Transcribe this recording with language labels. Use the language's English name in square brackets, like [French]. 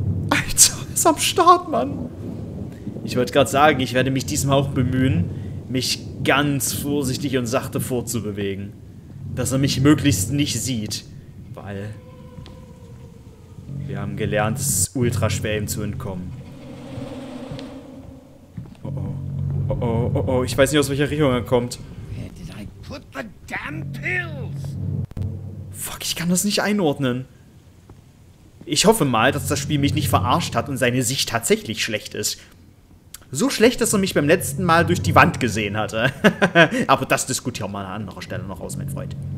[German] Alter, ist am Start, Mann. Ich wollte gerade sagen, ich werde mich diesmal auch bemühen, mich ganz vorsichtig und sachte vorzubewegen. Dass er mich möglichst nicht sieht. Weil wir haben gelernt, es ist ultra schwer, ihm zu entkommen. Oh oh. Oh oh, oh oh. Ich weiß nicht, aus welcher Richtung er kommt. [English] Where did I put the damn pills? [German] Fuck, ich kann das nicht einordnen. Ich hoffe mal, dass das Spiel mich nicht verarscht hat und seine Sicht tatsächlich schlecht ist. So schlecht, dass er mich beim letzten Mal durch die Wand gesehen hatte. Aber das diskutieren wir an anderer Stelle noch aus, mein Freund.